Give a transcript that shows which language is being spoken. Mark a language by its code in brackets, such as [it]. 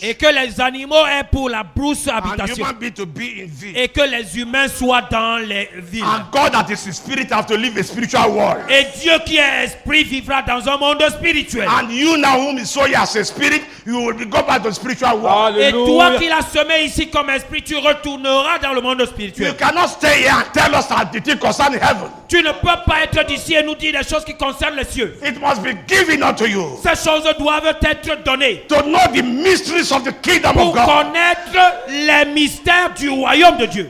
[fr] Et que les animaux aient pour la brousse habitation. [en] And human beings to be in the. [fr] Et que les humains soient dans les villes. [en] And God that is spirit have to live a spiritual world. [fr] Et Dieu qui est esprit vivra dans un monde spirituel. [en] And you now whom you sow as a spirit, you will go back to the spiritual world. [fr] Alleluia. Et toi qui l'as semé ici comme esprit, tu retourneras dans le monde spirituel. [en] You cannot stay here and tell us that the thing concerning heaven. [fr] Tu ne peux pas être d'ici et nous dire les choses qui concernent les cieux. [en] It must be given unto you. [fr] Ces choses doivent être données. [en] To know the mysteries of the kingdom of God. [fr] Pour connaître les mystères du royaume de Dieu.